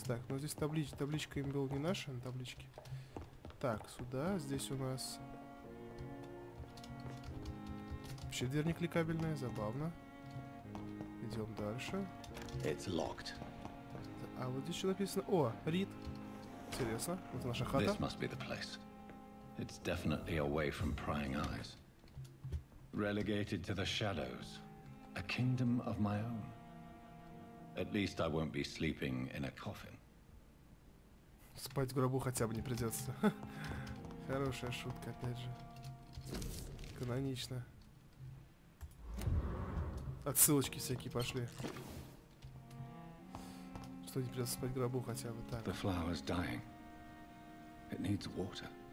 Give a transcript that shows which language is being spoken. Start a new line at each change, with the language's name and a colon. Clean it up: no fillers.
Russian: Так, но здесь табличка им была не наша, на табличке. Так, сюда, здесь у нас... Вообще дверь не кликабельная, забавно. Идем дальше.
English: It's locked.
Russian: А вот здесь еще написано... О, Рид. Интересно, вот наша хата.
English: This must be the place. It's definitely away from prying eyes. Relegated to the shadows. A kingdom of my own. At least I won't be sleeping in a coffin.
Russian: Спать в гробу хотя бы не придется. Хорошая шутка, опять же. Канонично. Отсылочки всякие пошли. Что не придется спать в гробу хотя бы так.
English: The flower's dying. It needs water.